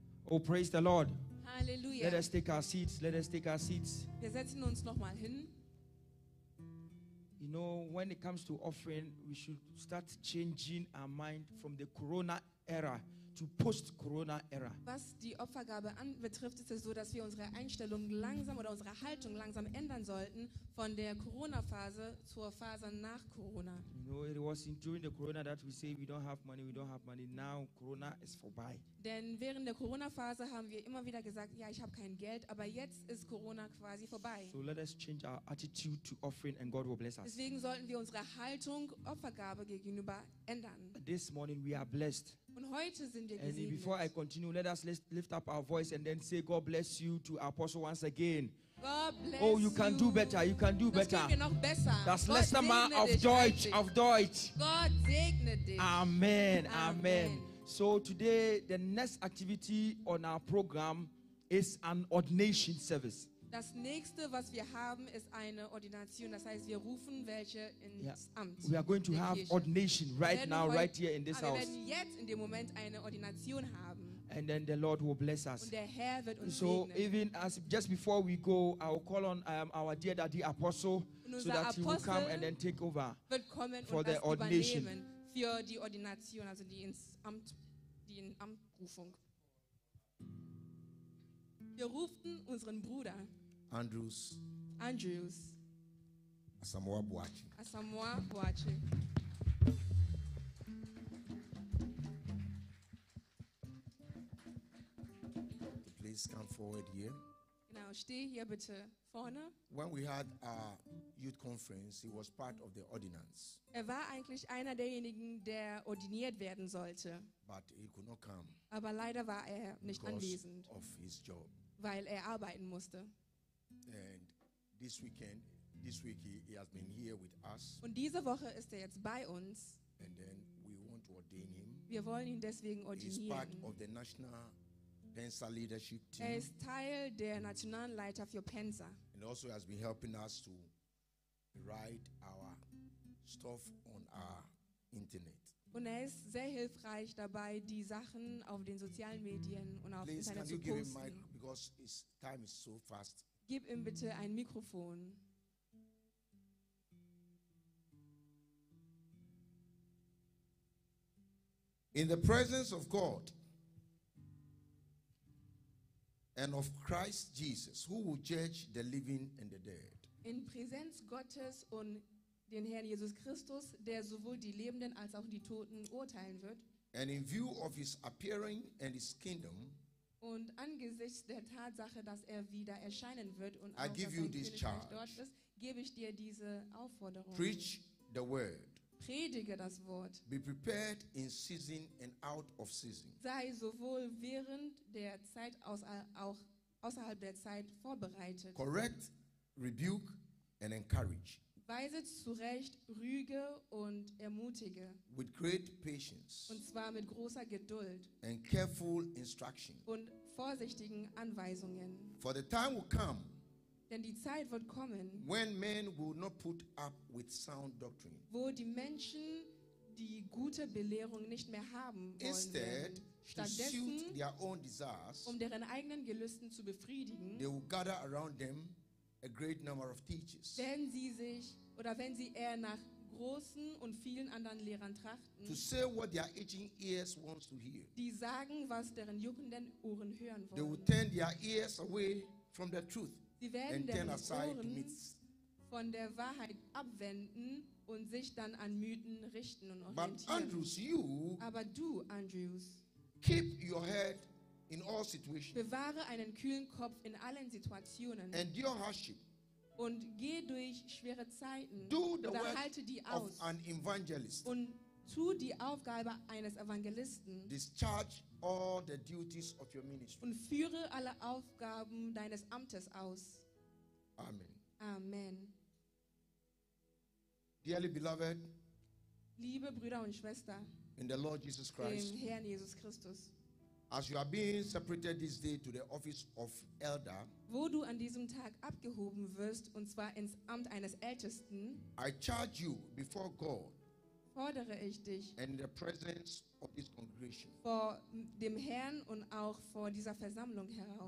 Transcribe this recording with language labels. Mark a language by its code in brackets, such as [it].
[en] Oh, praise the Lord. Hallelujah. Let us take our seats. Let us take our seats. [de] Wir setzen uns noch mal hin. [en] You know, when it comes to offering, we should start changing our mind from the Corona era to post-Corona era. [de] Was die Opfergabe anbetrifft, ist es so, dass wir unsere Einstellung langsam oder unsere Haltung langsam ändern sollten von der Corona-Phase zur Phase nach Corona. [en] You know, it was during the Corona that we say we don't have money, we don't have money. Now Corona is [de] vorbei. Denn während der Corona-Phase haben wir immer wieder gesagt, ja, ich habe kein Geld, aber jetzt ist Corona quasi vorbei. [en] So let us change our attitude to offering and God will bless us. [de] Deswegen sollten wir unsere Haltung Opfergabe gegenüber ändern. [en] This morning we are blessed. [de] Und heute sind wir gesegnet. [en] And before I continue, let us lift up our voice and then say, God bless you to our apostle once again. God bless you. Oh, you can do better. You can do better. [de] Das letzte Mal auf Deutsch. Auf Deutsch. God segne dich. [en] Amen. Amen. So today, the next activity on our program is an ordination service. [de] Das nächste, was wir haben, ist eine Ordination. Das heißt, wir rufen welche ins Amt. [en] We are going to have ordination right now, right here in this house. [de] Wir werden jetzt in dem Moment eine Ordination haben. [en] And then the Lord will bless us. [de] Und der Herr wird uns so segnen. [en] Even as just before we go, I will call on our dear daddy apostle so that [de] Apostel [en] he will come and then take over [de] wird kommen for und the das ordination. Für die Ordination, also die ins Amt, die in Amtrufung. Wir rufen unseren Bruder Andrews Asamoah Buachi. Asamoah Buachi. [en] Please come forward here. [de] Now, steh hier bitte vorne. [en] When we had our youth conference, he was part of the ordinance. [de] Er war eigentlich einer derjenigen, der ordiniert werden sollte. [en] But he could not come. [de] Aber leider war er nicht anwesend. [en] Because of his job. [de] Weil er arbeiten musste. [en] And this weekend, this week he has been here with us. [de] Und diese Woche ist er jetzt bei uns. [en] And then we want to ordain him. [de] Wir wollen ihn deswegen ordinieren. [en] He's part of the national PENSA leadership team. [de] Er ist Teil der Nationalleiter für PENSA. [en] And also has been helping us to write our stuff on our internet. [de] Und er ist sehr hilfreich dabei, die Sachen auf den sozialen Medien und auf [en] Please, [de] Internet [en] can [de] posten. [en] Give him mic, because his time is so fast. [de] Gib ihm bitte ein Mikrofon. [en] In the presence of God and of Christ Jesus, who will judge the living and the dead. [de] In Präsenz Gottes und den Herrn Jesus Christus, der sowohl die Lebenden als auch die Toten urteilen wird. [en] And in view of his appearing and his kingdom, [de] Und angesichts der Tatsache, dass wieder erscheinen wird und auch, [en] I give you this charge. [de] Dort ist, gebe ich dir diese Aufforderung. [en] Preach the word. [de] Predige das Wort. [en] Be prepared in season and out of season. [de] Sei sowohl während der Zeit als auch außerhalb der Zeit vorbereitet. [en] Correct, rebuke and encourage. [de] Weise zurecht, rüge und ermutige. [en] With great patience. [de] Und zwar mit großer Geduld. [en] And careful instruction. [de] Und vorsichtigen Anweisungen. [en] For the time will come. [de] Denn die Zeit wird kommen, [en] when men will not put up with sound doctrine, [de] wo die Menschen die gute Belehrung nicht mehr haben wollen, [en] instead, [de] stattdessen, [en] to suit their own desires, [de] um deren eigenen Gelüsten zu befriedigen, [en] they will gather around them a great number of teachers, [de] wenn sie sich oder wenn sie eher nach großen und vielen anderen Lehrern trachten, [en] to say what their itching ears wants to hear, [de] die sagen, was deren juckenden Ohren hören wollen, [en] they will turn their ears away from the truth. [de] Sie werden den Ohren von der Wahrheit abwenden und sich dann an Mythen richten und orientieren. [en] But Andrews, you, [de] aber du, Andrews, [en] keep your head in all situations. [de] Bewahre einen kühlen Kopf in allen Situationen. [en] Endure hardship. [de] Und geh durch schwere Zeiten. [en] Do the [de] oder [en] work [de] halte die aus. [en] Of an evangelist. [de] Und tu die Aufgabe eines Evangelisten. [en] Discharge all the duties of your ministry. [de] Und führe alle Aufgaben deines Amtes aus. [en] Amen. Amen. Dearly beloved, [de] liebe Brüder und Schwestern, [en] in the Lord Jesus Christ, [de] im Herrn Jesus Christus, [en] as you are being separated this day to the office of elder, [de] wo du an diesem Tag abgehoben wirst, und zwar ins Amt eines Ältesten, [en] I charge you before God, [de] fordere ich dich, [en] and the presence of this congregation, [de] vor dem Herrn und auch vor dieser Versammlung heraus,